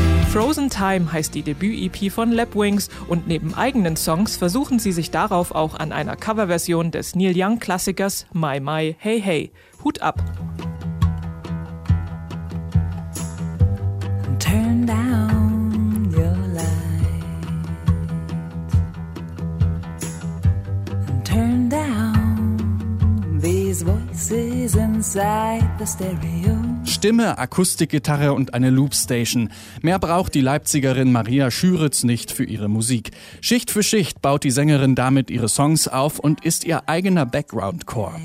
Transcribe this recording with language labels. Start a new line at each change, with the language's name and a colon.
German: Frozen Time heißt die Debüt-EP von Lapwings und neben eigenen Songs versuchen sie sich darauf auch an einer Coverversion des Neil Young-Klassikers My My Hey Hey. Hut ab!
English: Turn down your light. Turn down these voices inside. inside the stereo.
German: Stimme, Akustikgitarre und eine Loopstation. Mehr braucht die Leipzigerin Maria Schüritz nicht für ihre Musik. Schicht für Schicht baut die Sängerin damit ihre Songs auf und ist ihr eigener Background-Core.